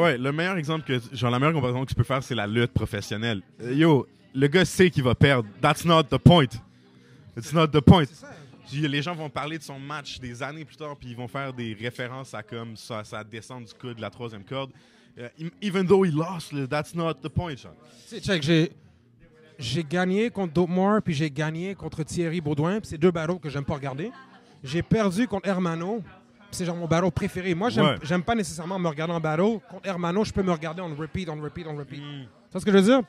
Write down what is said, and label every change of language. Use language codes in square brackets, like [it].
[fr] Ouais, le meilleur exemple que... Genre, la meilleure comparaison que tu peux faire, c'est la lutte professionnelle. [en] Yo, [fr] le gars sait qu'il va perdre. [en] That's not the point. It's not the point. [fr] Les gens vont parler de son match des années plus tard, puis ils vont faire des références à comme ça descend du coude de la troisième corde. [en] Even though he lost, that's not the point. [fr] Check, j'ai gagné contre Dopemore, puis j'ai gagné contre Thierry Baudouin, puis c'est deux battles que j'aime pas regarder. J'ai perdu contre Hermano, puis c'est genre mon battle préféré. Moi, j'aime pas nécessairement me regarder en battle. Contre Hermano, je peux me regarder [en] on repeat. [fr] Tu vois ce que je veux dire?